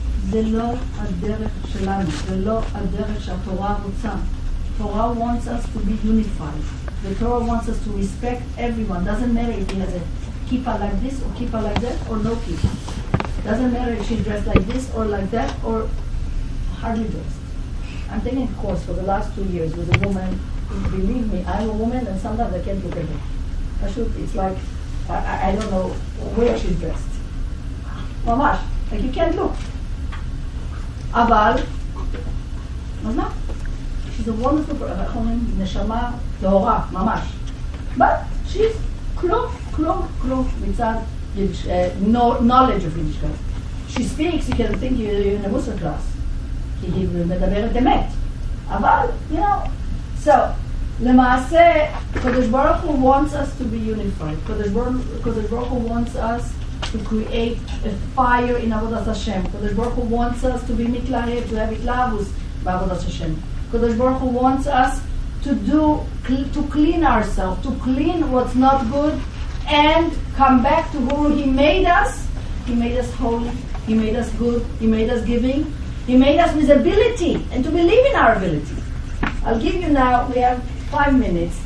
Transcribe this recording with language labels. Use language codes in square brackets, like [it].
[he] זה לא הדרך שלנו, זה לא הדרך שהתורה רוצה. [en] Torah wants us to be unified. The Torah wants us to respect everyone. Doesn't matter if he has a kippah like this, or kippah like that, or no kippah. Doesn't matter if she's dressed like this, or like that, or hardly dressed. I'm taking a course for the last 2 years with a woman, believe me, I'm a woman, and sometimes I can't look at her. It's like, I don't know where she's dressed. Mamash, like you can't look. Aval, mama, she's a wonderful, [he] רחמים, נשמה, תורה, ממש. [en] But she's close with that Yiddish, knowledge of Yiddish. She speaks, you can think you're in a Musa class. [he] כי היא מדברת אמת. [en] אבל, you know, so, למעשה, קדוש ברוך הוא wants us to be unified. קדוש ברוך הוא wants us to create a fire in עבודת השם. קדוש ברוך הוא wants us to be מתלהב, to have [he] התלהבות בעבודת השם. [en] קדוש ברוך הוא wants us to clean ourselves, to clean what's not good, and come back to who he made us. He made us holy, he made us good, he made us giving. He made us with ability and to believe in our ability. I'll give you now, we have 5 minutes.